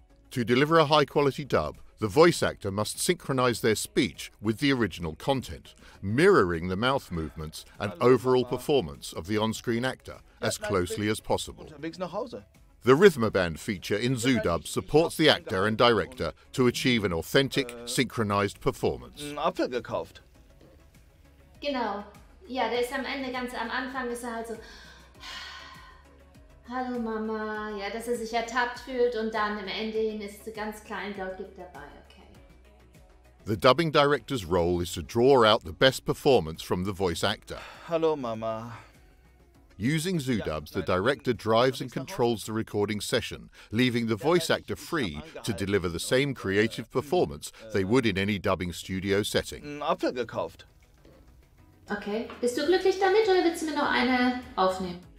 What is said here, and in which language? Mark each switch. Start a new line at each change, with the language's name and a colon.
English: To deliver a high-quality dub, the voice actor must synchronize their speech with the original content, mirroring the mouth movements and overall performance of the on-screen actor as closely as possible. The Rhythmaband feature in ZooDub supports the actor and director to achieve an authentic, synchronized performance. I've been
German: gekauft. Genau. Ja, der ist am Ende, ganz am Anfang ist halt so, hallo Mama, ja, dass sich ertappt fühlt und dann am Ende hin ist so ganz klein, Gott dabei, okay.
English: The dubbing director's role is to draw out the best performance from the voice actor.
German: Hallo Mama.
English: Using ZooDubs, the director drives and controls the recording session, leaving the voice actor free to deliver the same creative performance they would in any dubbing studio setting. I've been
German: gekauft. Okay, bist du glücklich damit oder willst du mir noch eine aufnehmen?